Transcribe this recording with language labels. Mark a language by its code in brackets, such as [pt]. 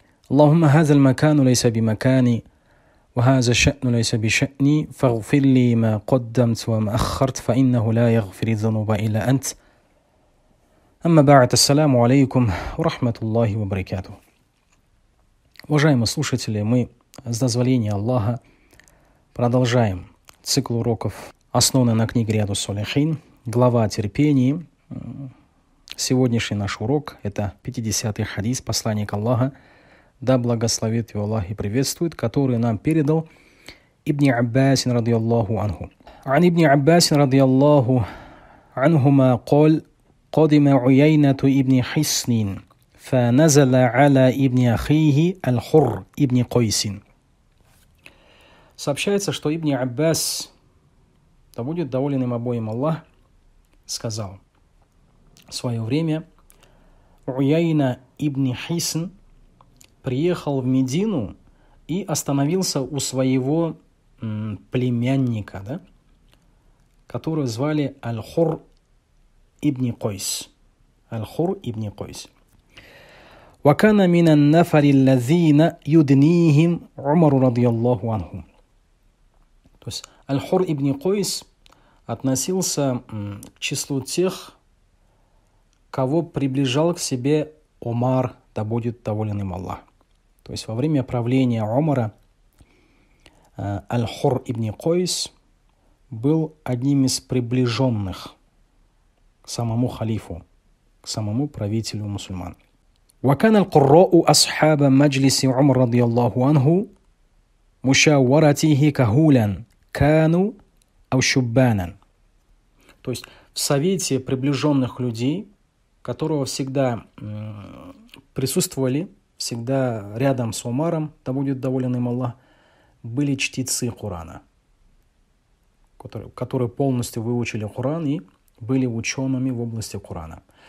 [ar] اللهم هذا المكان ليس بمكاني وهذا الشأن ليس بشأني فاغفر لي ما قدمت وما أخرت فإنه لا يغفر الذنوب إلا أنت. أما بعد, السلام عليكم ورحمة الله وبركاته. [ru] Уважаемые слушатели, мы с дозволения Аллаха продолжаем цикл уроков, основанный на книге Риаду Салихин, глава о терпении. Сегодняшний наш урок – это 50-й хадис, посланник Аллаха, да благословит его Аллах и приветствует, который нам передал Ибн Аббас радиаллаху анху. [ar] «Ан Ибн Аббас радиаллаху анхума кол, кодима уяйнату Ибн Хиснин». فنزل على ابن أخيه الحر ابن قيس. [ru] Сообщается, что ибн Аббас, да будет доволен им обоим Аллах, сказал в свое время: Уяйна ибн Хисн приехал в Медину и остановился у своего племянника, да, которого звали Аль-Хур ибн Койс. Аль-Хур ибн Койс. [ar] وكان من النفر الذين يدنيهم عمر رضي الله عنه. [ru] То есть Аль-Хур ибн Койс относился к числу тех, кого приближал к себе Умар, да будет доволен им Аллах. То есть во время правления Умара Аль-Хур ибн Койс был одним из приближенных к самому халифу, к самому правителю мусульман. [ar] وكان القراء أصحاب مجلس عمر رضي الله عنه مشاورته كهولا كانوا أو شبانا. [ru] То есть в совете приближенных людей, которого всегда присутствовали, всегда рядом с Умаром, да будет доволен им Аллах, были чтецы Корана, которые полностью выучили Коран и были учеными в области Корана.